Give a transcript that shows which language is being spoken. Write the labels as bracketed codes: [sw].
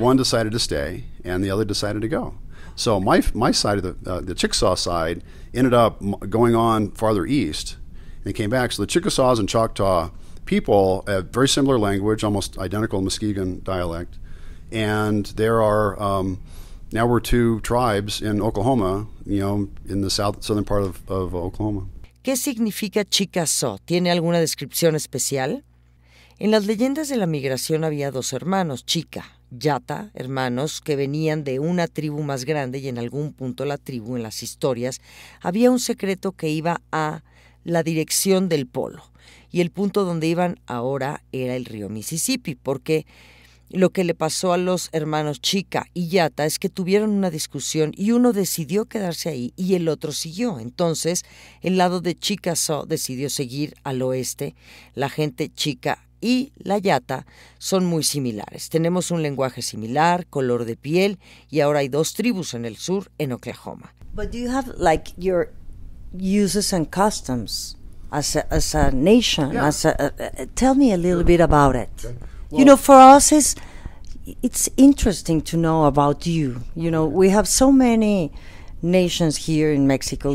[en] one decided to stay, and the other decided to go. So my side of the Chickasaw side ended up going on farther east and came back. So the Chickasaws and Choctaw people have very similar language, almost identical Muskegon dialect. And there are, now we're two tribes in Oklahoma, you know, in the southern part of Oklahoma. [es] ¿Qué significa Chickasaw? ¿Tiene alguna descripción especial? En las leyendas de la migración había dos hermanos, Chica. Yata, hermanos, que venían de una tribu más grande y en algún punto la tribu en las historias, había un secreto que iba a la dirección del polo. Y el punto donde iban ahora era el río Mississippi, porque lo que le pasó a los hermanos Chica y Yata es que tuvieron una discusión y uno decidió quedarse ahí y el otro siguió. Entonces, el lado de Chickasaw decidió seguir al oeste, la gente Chica y la Yata son muy similares. Tenemos un lenguaje similar, color de piel, y ahora hay dos tribus en el sur, en Oklahoma. [en] But do you have like your uses and customs as a nation? Yeah. Tell me a little sure. bit about it. Okay. Well, you know, for us, it's interesting to know about you. You know, we have so many nations here in Mexico